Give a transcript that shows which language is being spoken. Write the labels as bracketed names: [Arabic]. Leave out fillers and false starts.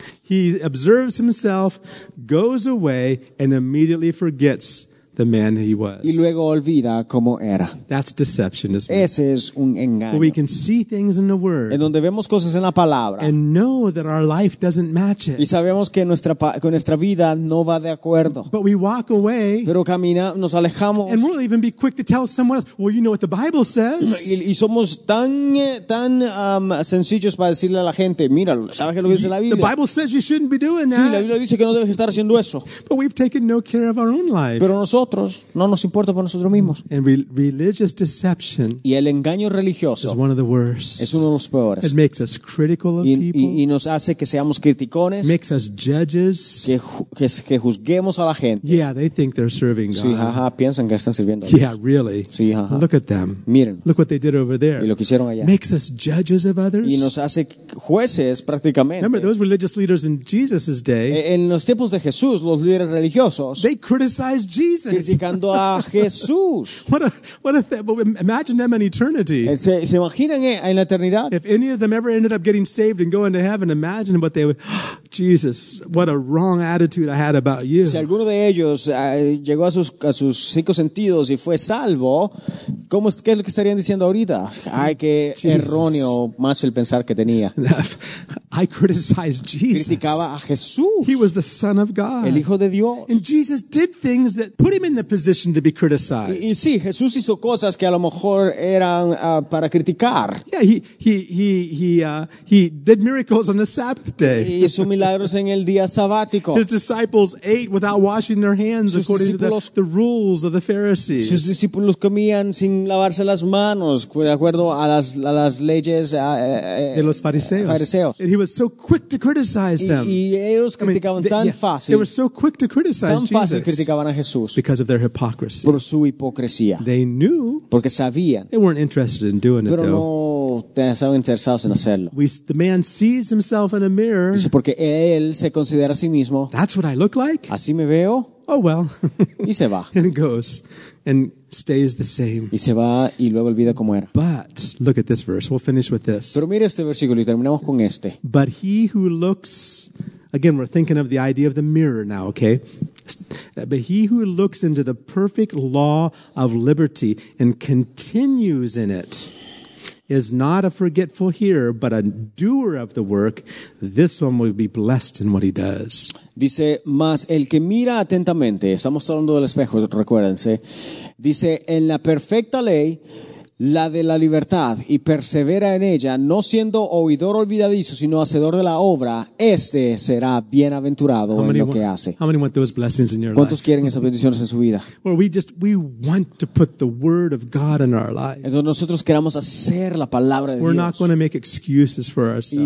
[English] He observes himself, goes away, and immediately forgets the man he was. [Spanish] Y luego olvida cómo era. [English] That's deception, isn't it? [Spanish] Ese es un engaño. [English] Where we can see things in the word. [Spanish] En donde vemos cosas en la palabra. [English] And know that our life doesn't match it. [Spanish] Y sabemos que nuestra vida no va de acuerdo. [English] But we walk away. [Spanish] Pero nos alejamos. [English] And we'll even be quick to tell someone else, well, you know what the Bible says. [Spanish] Y somos tan sencillos para decirle a la gente, mira, ¿sabes lo que dice la Biblia? [English] The Bible says you shouldn't be doing that. [Spanish] Sí, la Biblia dice que no debes estar haciendo eso. [English] But we've taken no care of our own life. [Spanish] Pero nosotros nosotros, no nos importa por nosotros mismos. [English] And religious deception [Spanish] y el engaño religioso [English] is one of the worst. [Spanish] Es uno de los peores. [English] It makes us critical of people. [Spanish] Y nos hace que seamos criticones. [English] Makes us judges. [Spanish] Que juzguemos a la gente. [English] Yeah, they think they're serving God. [Spanish] Sí, ajá, piensan que están sirviendo a [English] Dios. Yeah, really. [Spanish] Sí, ajá. [English] Look at them. [Spanish] Miren. [English] Look what they did over there. [Spanish] Y lo que hicieron allá. [English] Makes us judges of others. [Spanish] Y nos hace jueces prácticamente. [English] Remember those religious leaders in Jesus' day? [Spanish] En los tiempos de Jesús, los líderes religiosos. [English] They criticized Jesus. [Spanish] Criticando a Jesús. [English] Imagine them in eternity. [Spanish] ¿Se imaginan en la eternidad? [English] If any of them ever ended up getting saved and going to heaven, imagine what they would. Jesus, what a wrong attitude I had about you. [Spanish] Si alguno de ellos llegó a sus cinco sentidos y fue salvo, ¿cómo qué es lo que estarían diciendo ahorita? Ay, qué Jesus. Erróneo más el pensar que tenía. [English] I criticized Jesus. [Spanish] Criticaba a Jesús. [English] He was the Son of God. [Spanish] El Hijo de Dios. [English] And Jesus did things that put him in the position to be criticized. [Spanish] Y sí, Jesús hizo cosas que a lo mejor eran para criticar. [English] Yeah, he did miracles on the Sabbath day. [Spanish] Y hizo milagros en el día sabático. [English] His disciples ate without washing their hands [Spanish] sus [English] according to the rules of the Pharisees. [Spanish] Sus discípulos comían sin lavarse las manos de acuerdo a las leyes de los fariseos. Fariseos. [English] And he was so quick to criticize them. They were so quick to criticize [Spanish] tan fácil [English] Jesus [Spanish] criticaban a Jesús [English] because of their hypocrisy. [Spanish] Por su hipocresía. [English] They knew [Spanish] porque sabían. [English] They weren't interested in doing [Spanish] pero [English] it, [Spanish] no [English] though. [Spanish] Estaban interesados en hacerlo. [English] The man sees himself in a mirror. [Spanish] Dice, porque él se considera a sí mismo. [English] That's what I look like. [Spanish] Así me veo. [English] Oh, well. [Spanish] Y se va. [English] And goes. And stays the same. [Spanish] Y se va y luego olvida cómo era. [English] But look at this verse. We'll finish with this. [Spanish] Pero mira este versículo y terminamos con este. [English] But he who looks, again, we're thinking of the idea of the mirror now, okay? But he who looks into the perfect law of liberty and continues in it is not a forgetful hearer, but a doer of the work. This one will be blessed in what he does. [Spanish] Dice, mas el que mira atentamente, estamos hablando del espejo, recuérdense, dice, en la perfecta ley, la de la libertad, y persevera en ella, no siendo oidor olvidadizo, sino hacedor de la obra, este será bienaventurado en lo que hace. [English] How many want those blessings in your life? [Spanish] ¿Cuántos quieren esas bendiciones en su vida? [English] Well, we want to put the word of God in our life. [Spanish] Entonces nosotros queremos hacer la palabra de [English] We're [Spanish] Dios. [English] We're not going to make excuses for ourselves.